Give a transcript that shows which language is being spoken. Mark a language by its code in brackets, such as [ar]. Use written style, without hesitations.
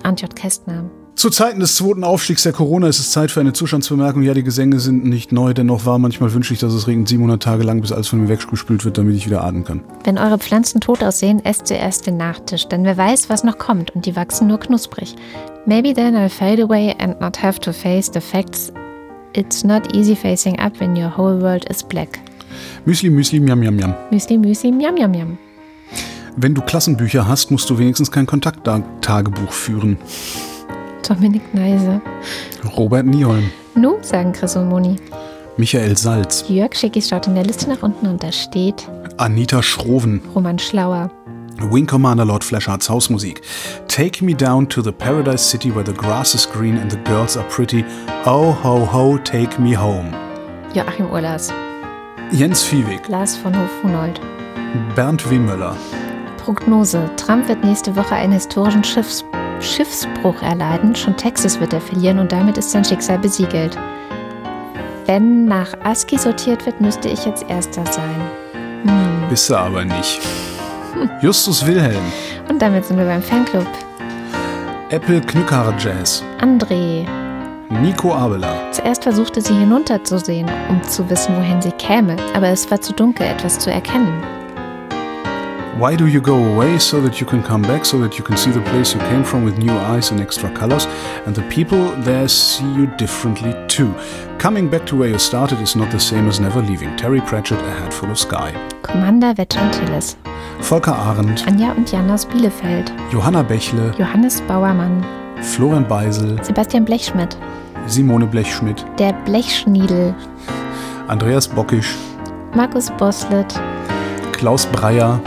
[de] Antjot Kästner. Zu Zeiten des zweiten Aufstiegs der Corona ist es Zeit für eine Zustandsbemerkung. Ja, die Gesänge sind nicht neu, dennoch war manchmal wünsche ich, dass es regnet 700 Tage lang, bis alles von mir weggespült wird, damit ich wieder atmen kann. Wenn eure Pflanzen tot aussehen, esst zuerst den Nachtisch, denn wer weiß, was noch kommt und die wachsen nur knusprig. [en] Maybe then I'll fade away and not have to face the facts. It's not easy facing up when your whole world is black. [de] Müsli, Müsli, miam, miam, miam. Müsli, Müsli, miam, miam, miam. Wenn du Klassenbücher hast, musst du wenigstens kein Kontakttagebuch führen. Dominik Neise. Robert Nieholm. Nu, sagen Chris und Moni. Michael Salz. Jörg Schickis schaut in der Liste nach unten und da steht Anita Schroven. Roman Schlauer. Wing Commander Lord Fleshards Hausmusik. [en] Take me down to the paradise city where the grass is green and the girls are pretty. Oh ho ho, take me home. [de] Joachim Urlas. Jens Fiewig. Lars von Hofhunold. Bernd W. Müller. Prognose. Trump wird nächste Woche einen historischen Schiffsbruch erleiden. Schon Texas wird er verlieren und damit ist sein Schicksal besiegelt. Wenn nach ASCII sortiert wird, müsste ich jetzt Erster sein. Bist du aber nicht. Justus Wilhelm. Und damit sind wir beim Fanclub. Apple Knückhaar Jazz. André. Nico Abela. Zuerst versuchte sie hinunterzusehen, um zu wissen, wohin sie käme, aber es war zu dunkel, etwas zu erkennen. [en] Why do you go away so that you can come back, so that you can see the place you came from with new eyes and extra colors, and the people there see you differently too. Coming back to where you started is not the same as never leaving. Terry Pratchett, A Hat Full of Sky. [de] Commander Wetter und Tillis. Volker Arendt. Anja und Jan aus Bielefeld. Johanna Bächle. Johannes Bauermann. Florian Beisel. Sebastian Blechschmidt. Simone Blechschmidt. Der Blechschniedel. Andreas Bockisch. Markus Boslett. Klaus Breyer.